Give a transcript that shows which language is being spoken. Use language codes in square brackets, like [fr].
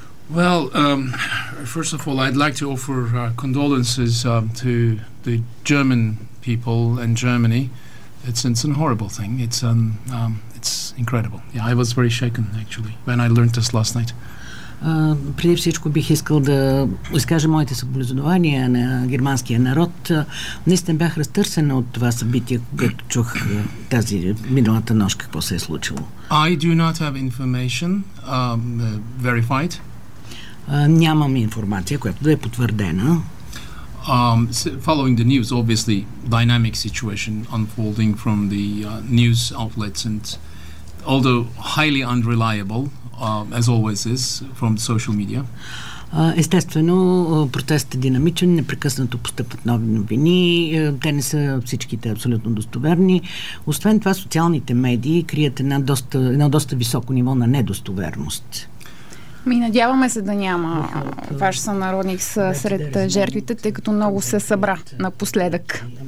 [en] Well, first of all, I'd like to offer condolences to the German people and Germany. It's an horrible thing. It's incredible. Yeah, I was very shaken actually when I learned this last night. [bg] Преди всичко бих искал да изкажа моите съболезнования на германския народ. Наистина бях разтърсена от това събитие, когато чух тази миналата нощ какво се е случило. [en] I do not have information verified. [bg] Нямам информация, която да е потвърдена. [en] Following the news, obviously, dynamic situation unfolding from the news outlets and although highly unreliable, as always is, from social media. [bg] Естествено, протестът е динамичен, непрекъснато постъпват нови новини, те не са всичките абсолютно достоверни. Освен това, социалните медии крият едно доста високо ниво на недостоверност. Ми надяваме се да няма ваш сънародник сред жертвите, тъй като много се събра напоследък.